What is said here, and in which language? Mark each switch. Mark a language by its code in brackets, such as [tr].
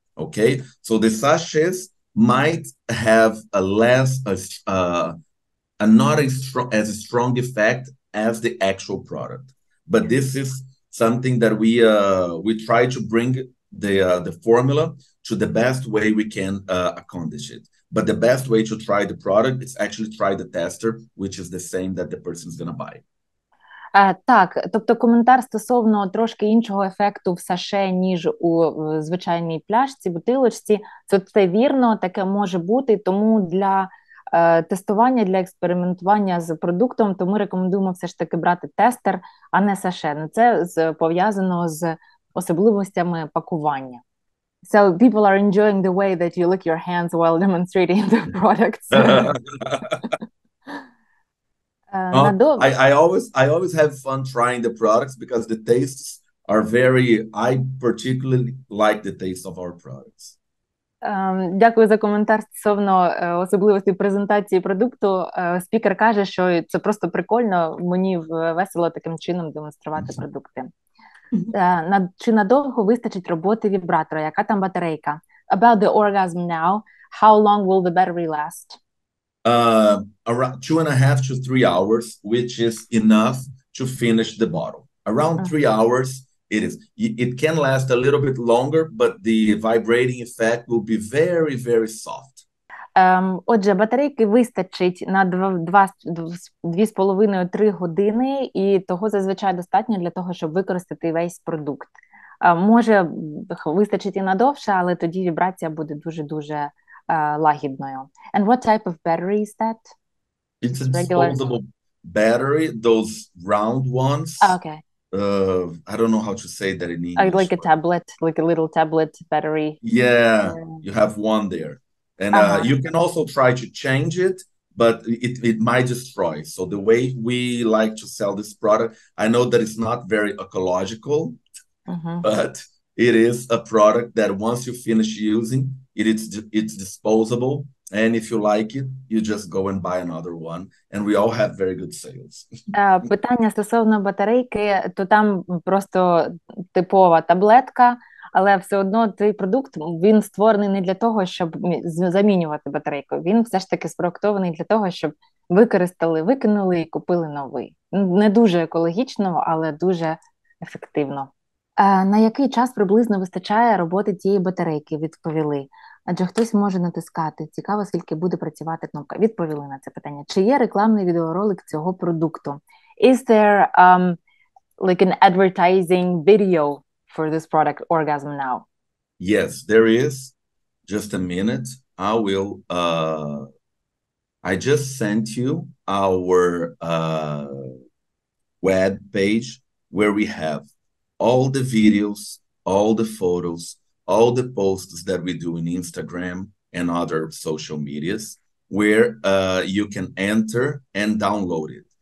[en] Okay, so the sachets might have a less not as strong effect as the actual product, but this is something that we try to bring the formula to the best way we can accomplish it. But the best way to try the product is actually try the tester, which is the same that the person is gonna buy. [uk] Так, тобто коментар стосовно трошки іншого ефекту в саше, ніж у звичайній пляшці, бутилочці. Це вірно, таке може бути. Тому для тестування, для експериментування з продуктом, то ми рекомендуємо все ж таки брати тестер, а не саше. Це пов'язано з особливостями пакування. [en] So people are enjoying the way that you lick your hands while demonstrating the products. I always have fun trying the products because the tastes are very, I particularly like the taste of our products. [uk] Дякую за коментар стосовно особливості презентації продукту. Спікер каже, що це просто прикольно, мені весело таким чином демонструвати продукти. Чи надовго вистачить роботи вібратора? Яка там батарейка? [en] About the orgasm now, how long will the battery last? Around 2.5 to 3 hours, which is enough to finish the bottle. Around 3 hours, it is. It can last a little bit longer, but the vibrating effect will be very, very soft. [uk] Отже, батарейки вистачить на 2.5-3 години, і того зазвичай достатньо для того, щоб використати весь продукт. Може вистачити надовше, але тоді вібрація буде дуже-дуже лагідною. [en] And what type of battery is that? It's a disposable battery, those round ones. Okay. I don't know how to say that in English. Like a tablet, like a little tablet battery. Yeah, you have one there. And you can also try to change it, but it might destroy. So the way we like to sell this product, I know that it's not very ecological, but it is a product that once you finish using, it's disposable. And if you like it, you just go and buy another one. And we all have very good sales. [uk] Питання стосовно батарейки, то там просто типова таблетка, але все одно цей продукт, він створений не для того, щоб замінювати батарейку. Він все ж таки спроектований для того, щоб використали, викинули і купили новий. Не дуже екологічно, але дуже ефективно. На який час приблизно вистачає роботи цієї батарейки, відповіли. Адже хтось може натискати. Цікаво, скільки буде працювати кнопка. Відповіли на це питання. Чи є рекламний відеоролик цього продукту? [en] Is there like an advertising video for this product, Orgasm Now? Yes, there is. Just a minute. I will... I just sent you our web page where we have all the videos, all the photos, all the posts that we do in Instagram and other social medias where you can enter and download it.